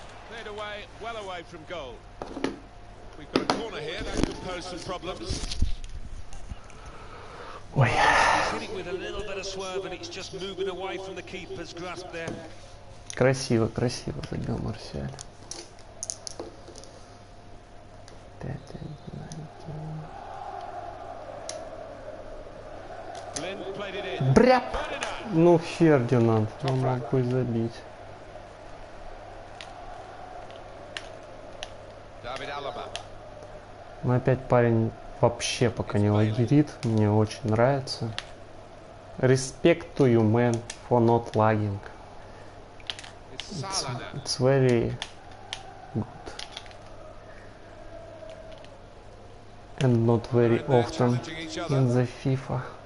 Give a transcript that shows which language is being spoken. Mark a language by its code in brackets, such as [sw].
[en] Cleared away, well away from goal. We've got a corner here, that could pose some problems. He's hitting with a little bit of swerve and it's just moving away from the keeper's grasp there. [ru] Красиво, красиво забил Марсиаль. Бряп! Ну, Фердинанд, ну, могу забить. Ну, опять парень вообще пока не лагерит. Мне очень нравится. [en] Respect to you, man, for not lagging. It's very good and not very often in the FIFA.